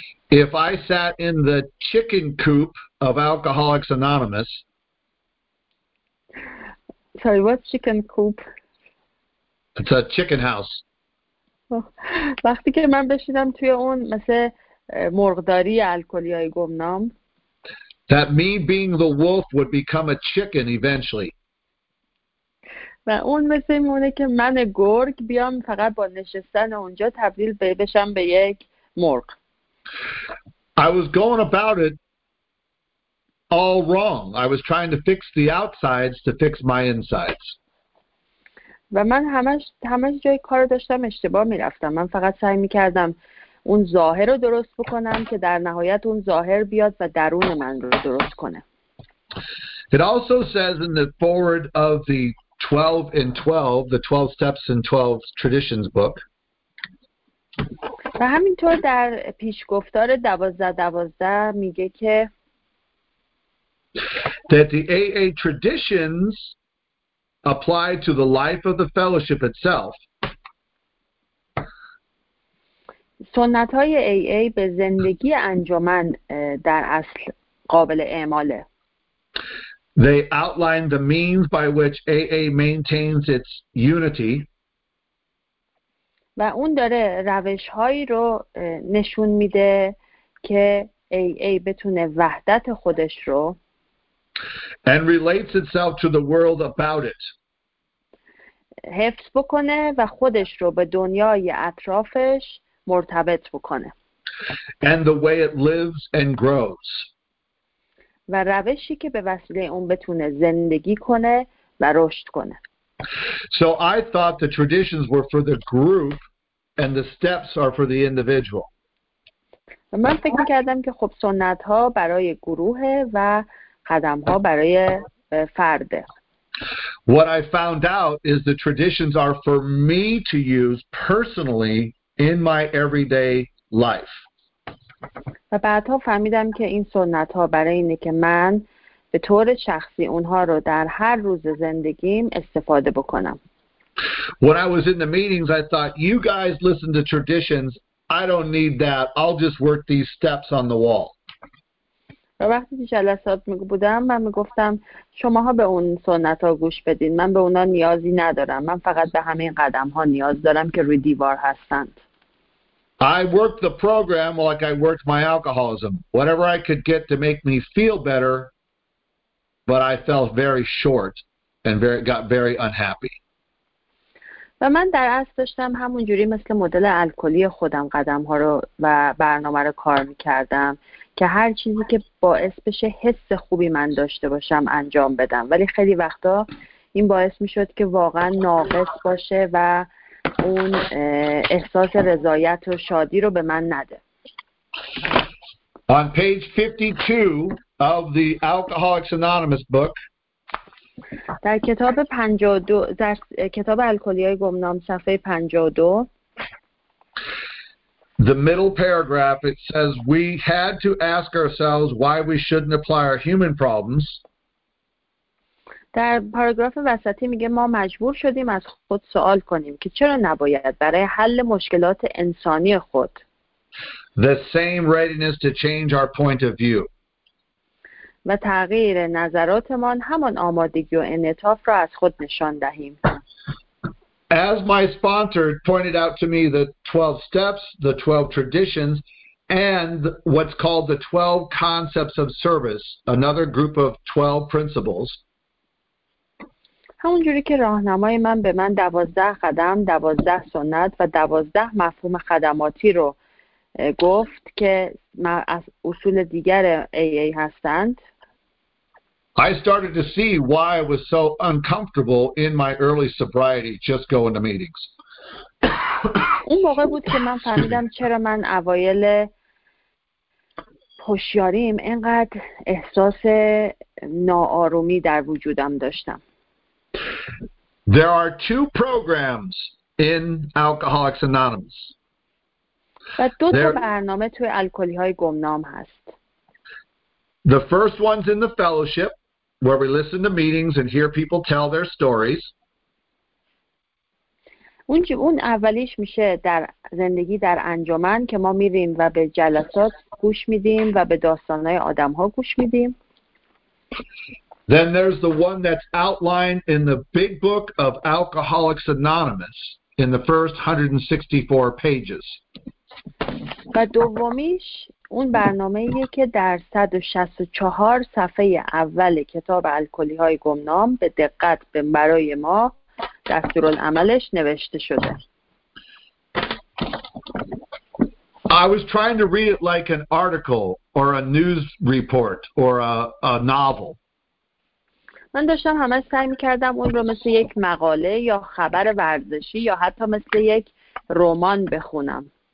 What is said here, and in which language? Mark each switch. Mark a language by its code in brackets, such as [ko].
[en] If I sat in the chicken coop of Alcoholics Anonymous. Sorry, what's chicken coop? It's a chicken house. [fa] وقتی که من بشینم توی اون مثل مرغداری الکلی های گمنام. [en] That me being the wolf would become a chicken eventually. [fa] و و اون مثل میمونه که من گرگ بیام فقط با نشستن اونجا تبدیل بشم به یک مرغ. [en] I was going about it all wrong. I was trying to fix the outsides to fix my insides. [fa] و من همش جای کار داشتم اشتباه میرفتم. من فقط سعی میکردم اون ظاهر رو درست بکنم که در نهایت اون ظاهر بیاد و درون من رو درست کنه. [en] It also says in the forward of the 12 and 12, the 12 steps and 12 traditions book. [fa] و همینطور در پیشگفتار 12-12 میگه که [en] that the AA traditions apply to the life of the fellowship itself. [fa] سنت های AA به زندگی انجمن در اصل قابل اعماله. [en] They outline the means by which AA maintains its unity. [fa] و اون داره روش‌هایی رو نشون میده که AA بتونه وحدت خودش رو [en] and relates itself to the world about it. [fa] حفظ بکنه و خودش رو به دنیای اطرافش مرتبط بکنه. [en] And the way it lives and grows. [fa] و روشی که به وسیله اون بتونه زندگی کنه و رشد کنه. [en] So I thought the traditions were for the group and the steps are for the individual. [fa] من فکر کردم که خب سنت ها برای گروهه و قدم ها برای فرده. [en] What I found out is the traditions are for me to use personally in my everyday life. [fa] و بعدها فهمیدم که این سنت ها برای اینه که من به طور شخصی اونها رو در هر روز زندگیم استفاده بکنم. [en] When I was in the meetings, I thought, you guys listen to traditions. I don't need that. I'll just work these steps on the wall. [fa] و وقتی که جلسات بودم، من میگفتم شماها به اون سنت ها گوش بدین. من به اونا نیازی ندارم. من فقط به همین قدم ها نیاز دارم که روی دیوار هستند. [en] I worked the program like I worked my alcoholism. Whatever I could get to make me feel better, but I felt very short and got very unhappy. [fa] و من در اصل داشتم همون جوری مثل مدل الکلی خودم قدم ها رو و برنامه رو کار میکردم که هر چیزی که باعث بشه حس خوبی من داشته باشم انجام بدم. ولی خیلی وقتا این باعث میشد که واقعا ناقص باشه و اون احساس رضایت و شادی رو به من نده. [en] On page 52 of the Alcoholics Anonymous book. [fa] در کتاب 52 در کتاب الکلی‌های گمنام صفحه 52 [en] The middle paragraph it says we had to ask ourselves why we shouldn't apply our human problems. [fa] در پاراگراف وسطی میگه ما مجبور شدیم از خود سوال کنیم که چرا نباید برای حل مشکلات انسانی خود [en] The same readiness to change our point of view. [fa] و تغییر نظراتمان همان آمادگی و انعطاف را از خود نشان دهیم. [en] As my sponsor pointed out to me the 12 steps, the 12 traditions and what's called the 12 concepts of service, another group of 12 principles. [fa] همونجوری که راهنمای من به من 12 قدم، 12 سنت و 12 مفهوم خدماتی رو گفت که از اصول دیگر AA هستند. [en] I started to see why I was so uncomfortable in my early sobriety just going to meetings. [fa] اون موقع بود که من فهمیدم چرا من اوایل هوشیاریم اینقدر احساس ناآرومی در وجودم داشتم. [en] There are two programs in Alcoholics Anonymous. [fa] و دو تا برنامه توی الکلی‌های گمنام هست. [en] The first one's in the fellowship, where we listen to meetings and hear people tell their stories. [fa] اون اولیش میشه در زندگی در انجمن که ما میریم و به جلسات گوش میدیم و به داستان‌های آدم‌ها گوش میدیم. [en] Then there's the one that's outlined in the big book of Alcoholics Anonymous in the first 164 pages. [fa] و دومیش اون برنامه‌ایه که در 164 صفحه اول کتاب الکلی‌های گمنام به دقت برای ما دستورالعملش نوشته شده. [en] I was trying to read it like an article or a news report or a novel. [fa] من داشتم همش سعی می‌کردم اون رو مثل یک مقاله یا خبر ورزشی یا حتی مثل یک رمان بخونم.